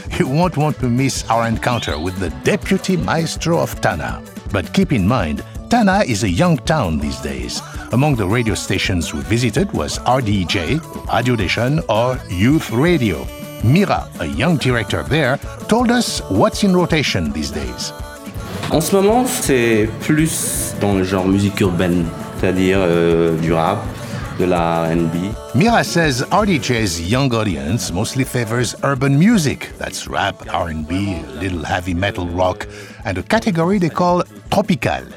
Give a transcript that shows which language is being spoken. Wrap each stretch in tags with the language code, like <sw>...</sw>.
<en>You won't want to miss our encounter with the deputy maestro of Tana. But keep in mind, Tana is a young town these days. Among the radio stations we visited was RDJ, Radio Nation, or Youth Radio. Mira, a young director there, told us what's in rotation these days.</en> <fr>En ce moment, c'est plus dans le genre musique urbaine, c'est-à-dire du rap, de la R&B.</fr> <en>Mira says RDJ's young audience mostly favors urban music. That's rap, R&B, a little heavy metal rock, and a category they call tropical.</en>